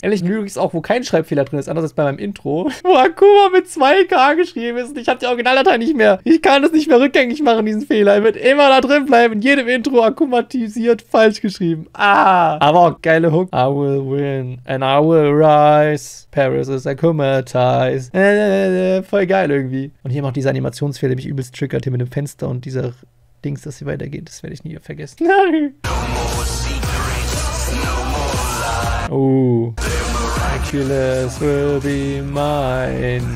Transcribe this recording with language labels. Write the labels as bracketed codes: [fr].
[de] Ehrlich, Lyrics ist auch, wo kein Schreibfehler drin ist, anders als bei meinem Intro. Wo Akuma mit 2K geschrieben ist und ich hab die Originaldatei nicht mehr. Ich kann das nicht mehr rückgängig machen, diesen Fehler. Er wird immer da drin bleiben, in jedem Intro akkumatisiert, falsch geschrieben. Ah! Aber auch geile Hook. [en] I will win and I will rise. Paris is akkumatized. [de] Voll geil irgendwie. Und hier macht dieser Animationsfehler, der mich übelst triggert, hier mit dem Fenster und dieser Dings, dass sie weitergeht. Das werde ich nie vergessen. Nein! [en] Oh. Miraculous will be mine.